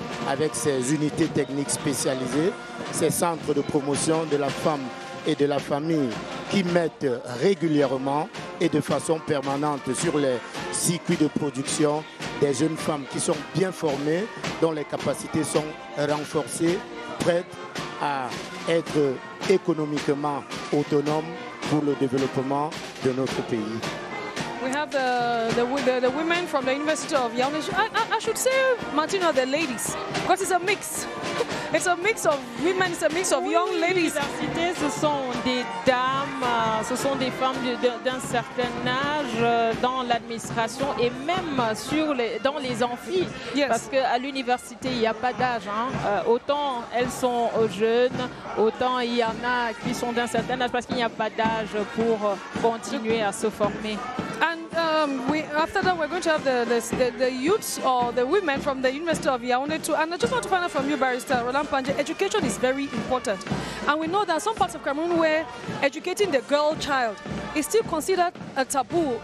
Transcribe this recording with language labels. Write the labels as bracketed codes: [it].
[fr] avec ses unités techniques spécialisées, ses centres de promotion de la femme et de la famille qui mettent régulièrement et de façon permanente sur les circuits de production des jeunes femmes qui sont bien formées, dont les capacités sont renforcées, prêtes à être économiquement autonomes pour le développement de notre pays. [en] We have the women from the University of Yaoundé. I should say, Martino, the ladies, because it's a mix. It's a mix of women, it's a mix of young ladies. [fr] L'université, ce sont des dames, ce sont des femmes d'un certain âge dans l'administration et même dans les amphis. [en] Yes. [fr] Parce qu'à l'université, il n'y a pas d'âge. Hein. Autant elles sont jeunes, autant il y en a qui sont d'un certain âge parce qu'il n'y a pas d'âge pour continuer à se former. [en] And after that, we're going to have the youths or the women from the University of Yaoundé too. And I just want to find out from you, Barrister Roland Panje, education is very important. And we know that some parts of Cameroon where educating the girl child is still considered a taboo.